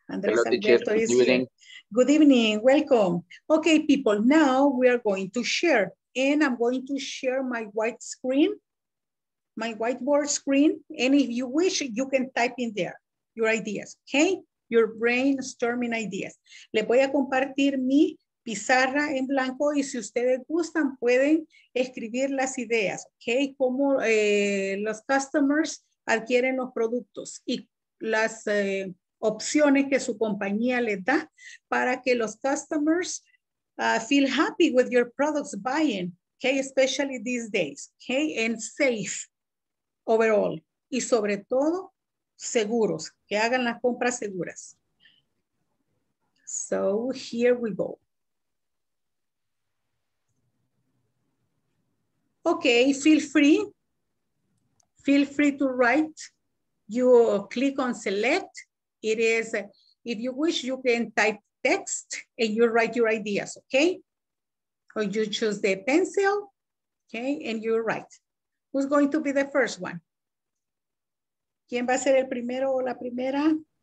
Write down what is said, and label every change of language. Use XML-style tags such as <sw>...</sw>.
<en>Andres Alberto is here. Good evening, welcome. Okay, people, now we are going to share, and I'm going to share my white screen, my whiteboard screen. And if you wish, you can type in there your ideas, okay? Your brainstorming ideas.</en> <es>Les voy a compartir mi pizarra en blanco y si ustedes gustan, pueden escribir las ideas, ¿ok? Cómo los customers adquieren los productos y las opciones que su compañía les da para que los customers</es> <en>feel happy with your products buying,</en> <es>¿ok?</es> <en>Especially these days, ¿ok? And safe overall.</en> <es>Y sobre todo, seguros, que hagan las compras seguras.</es> <en>So here we go. Okay, feel free to write. You click on select. It is, if you wish, you can type text and you write your ideas, okay? Or you choose the pencil, okay, and you write. Who's going to be the first one?</en> <es>¿Quién va a ser el primero o la primera?</es>